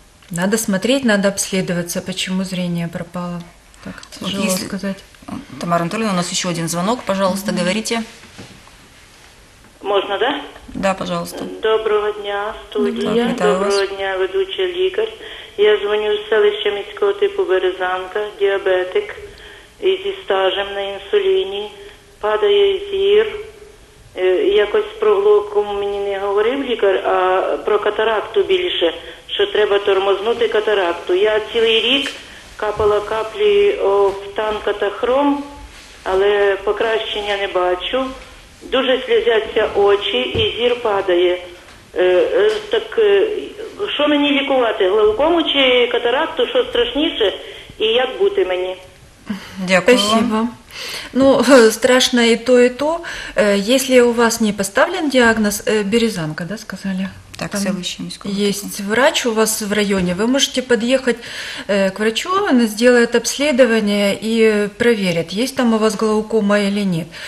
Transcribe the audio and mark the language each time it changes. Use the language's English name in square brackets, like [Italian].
[Russian] Надо смотреть, надо обследоваться, почему зрение пропало. Так, тяжело если... сказать. Тамара Анатольевна, у нас еще один звонок. Пожалуйста, говорите. Можно, да? Да, пожалуйста. Доброго дня, студия. Доброго дня, ведущий лекарь. Я звоню с [Ukrainian] селища міського типу [Russian] Березанка, диабетик. И со стажем на инсулине. Падает зір. [Ukrainian] Якось про глоку мені не говорив лікар, а про катаракту більше, що треба тормознути катаракту. Я цілий рік капала каплі офтан катахром, але покращення не бачу. Дуже сльозяться очі і зір падає. Так що мені лікувати, глаукому чи катаракту, що страшніше і як бути мені? Дякую. [Russian] Спасибо. Ну, страшно и то, и то. Если у вас не поставлен диагноз, Березанка, да, сказали? Так, там следующий есть такой врач у вас в районе. Вы можете подъехать к врачу, он сделает обследование и проверит, есть там у вас глаукома или нет.